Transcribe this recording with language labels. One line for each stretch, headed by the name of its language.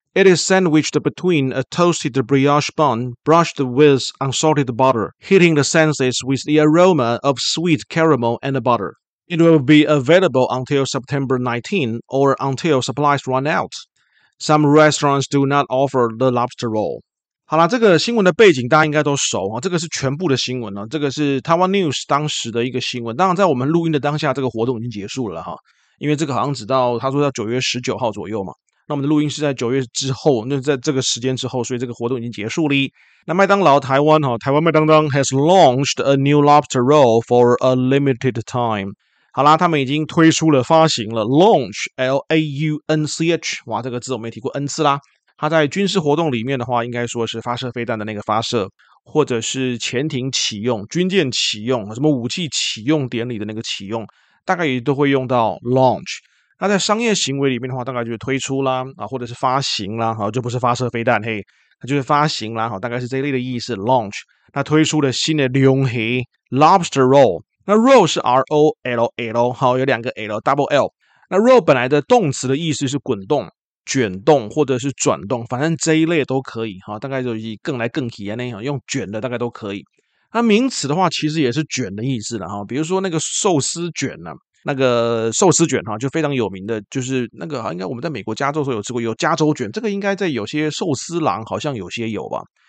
English: It is sandwiched between a toasted brioche bun brushed with unsalted butter, hitting the senses with the aroma of sweet caramel and butter. It will be available until September 19 or until supplies run out. Some restaurants do not offer the lobster roll.
Chinese: 好啦，这个新闻的背景大家应该都熟啊，这个是全部的新闻啊，这个是台湾 news 当时的一个新闻。当然在我们录音的当下，这个活动已经结束了哈，因为这个好像直到他说到9月19号左右嘛，那我们的录音是在9月之后，那在这个时间之后，所以这个活动已经结束了。那麦当劳台湾哈，台湾麦当当
English: has launched a new lobster roll for a limited time。
Chinese: 好啦，他们已经推出了发行了 launch L-A-U-N-C-H， 哇，这个字我没提过 N 次啦。它在军事活动里面的话，应该说是发射飞弹的那个发射，或者是潜艇启用、军舰启用、什么武器启用典礼的那个启用，大概也都会用到 launch。那在商业行为里面的话，大概就是推出啦啊，或者是发行啦，好，就不是发射飞弹，嘿，它就是发行啦，好，大概是这一类的意思 launch。那推出的新的龙虾 lobster roll， 那 roll 是 R O L L， 好，有两个 L double L。那 roll 本来的动词的意思是滚动。卷动或者是转动，反正这一类都可以哈，大概就以更来更去啊那样用卷的大概都可以。那名词的话，其实也是卷的意思了哈，比如说那个寿司卷呢、啊，那个寿司卷哈就非常有名的，就是那个应该我们在美国加州的时候有吃过，有加州卷，这个应该在有些寿司郎好像有些有吧。